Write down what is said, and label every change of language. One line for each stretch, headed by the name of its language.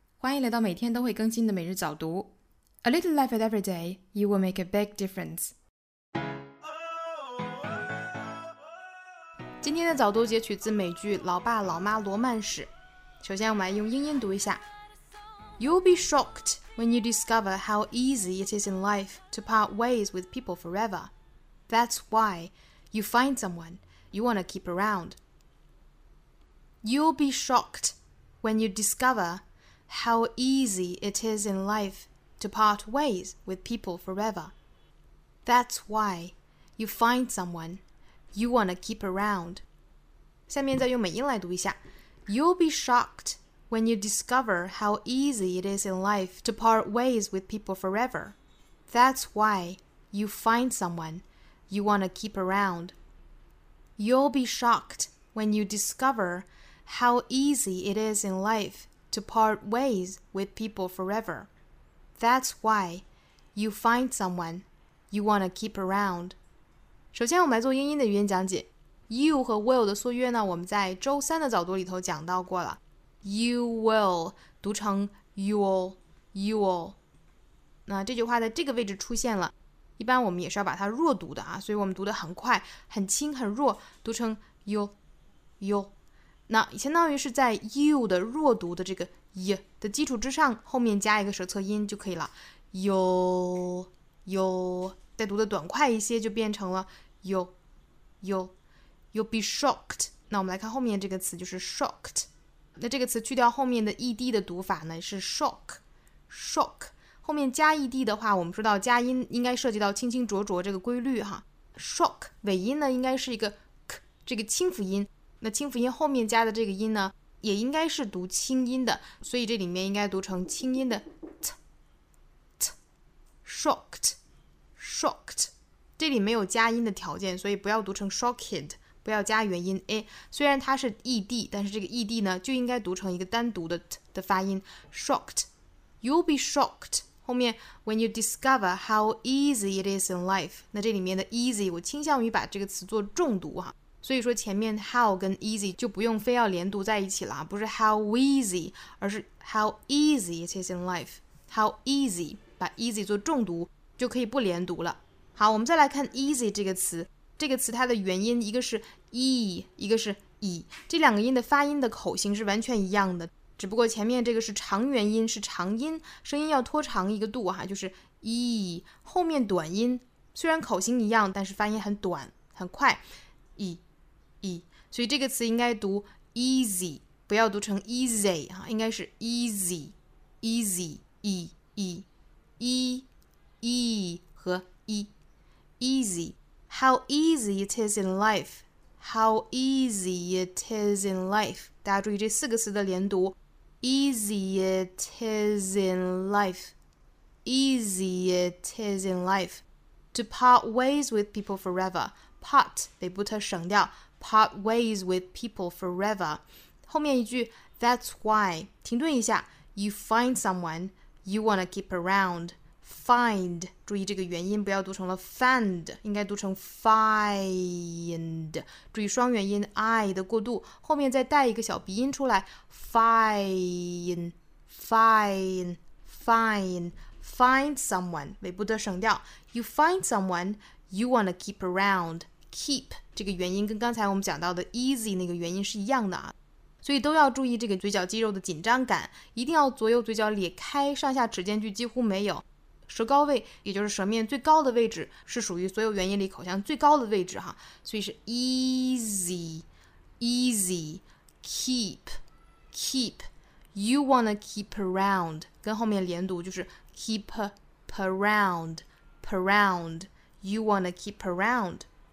Chinese: 欢迎来到每天都会更新的每日早读。
English: A little life at every day, you will make a big difference.
Chinese: 今天的早读截取自美剧《老爸老妈罗曼史》。首先我们来用英音读一下。
English: You'll be shocked when you discover how easy it is in life to part ways with people forever. That's why you find someone you want to keep around. You'll be shocked. When you discover how easy it is in life to part ways with people forever. That's why you find someone you want to keep around.
Chinese: 下面再用美音来读一下。
English: You'll be shocked when you discover how easy it is in life to part ways with people forever. That's why you find someone you want to keep around. You'll be shocked when you discoverhow easy it is in life to part ways with people forever. That's why you find someone you want to keep around.
Chinese: 首先我们来做英音的语音讲解。You 和 will 的缩约呢，我们在周三的早读里头讲到过了。
English: You will
Chinese: 读成
English: you'll, you'll。
Chinese: 那这句话在这个位置出现了，一般我们也是要把它弱读的啊，所以我们读得很快，很轻，很弱，读成 you'll, you'll。那相当于是在 you 的弱读的这个 y 的基础之上，后面加一个舌侧音就可以了。 you you 再读的短快一些，就变成了
English: you you you'll be shocked。
Chinese: 那我们来看后面这个词，就是 shocked。那这个词去掉后面的 ed 的读法呢，是 shock shock。后面加 ed 的话，我们说到加音应该涉及到清清浊浊这个规律哈。 shock 尾音呢，应该是一个 k 这个清辅音。那清辅音后面加的这个音呢，也应该是读清音的，所以这里面应该读成清音的 t t shocked shocked， 这里没有加音的条件，所以不要读成 shocked， 不要加元音 a。虽然它是 ed， 但是这个 ed 呢就应该读成一个单独的 t 的发音 shocked。
English: You'll be shocked 后面 when you discover how easy it is in life，
Chinese: 那这里面的 easy 我倾向于把这个词做重读哈。所以说前面 how 跟 easy 就不用非要连读在一起了，不是 how easy， 而是
English: how easy it is in life，
Chinese: how easy， 把 easy 做重读就可以不连读了。好，我们再来看 easy 这个词，这个词它的元音一个是 e， 一个是 e， 这两个音的发音的口型是完全一样的，只不过前面这个是长元音，是长音，声音要拖长一个度哈，就是 e， 后面短音，虽然口型一样，但是发音很短很快 e e， 所以这个词应该读 easy， 不要读成 easy 哈，应该是 easy easy e e e e 和 e easy。
English: How easy it is in life， how easy it is in life，
Chinese: 大家注意这四个词的连读，
English: easy it is in life， easy it is in life to part ways with people foreverPart
Chinese: 被不特省掉
English: ，part ways with people forever。
Chinese: 后面一句
English: ，That's why
Chinese: 停顿一下
English: ，You find someone you wanna keep around。
Chinese: Find 注意这个元音不要读成了 find， 应该读成 find。注意双元音 i 的过渡，后面再带一个小鼻音出来
English: ，find find find find someone
Chinese: 被不特省掉
English: ，You find someone you wanna keep around。
Chinese: Keep 这个元音跟刚才我们讲到的 easy 那个元音是一样的啊，所以都要注意这个嘴角肌肉的紧张感，一定要左右嘴角裂开，上下齿间距几乎没有，舌高位也就是舌面最高的位置是属于所有元音里口腔最高的位置哈，所以是 easy easy keep keep
English: you wanna keep around，
Chinese: 跟后面连读就是
English: keep around around you wanna keep around。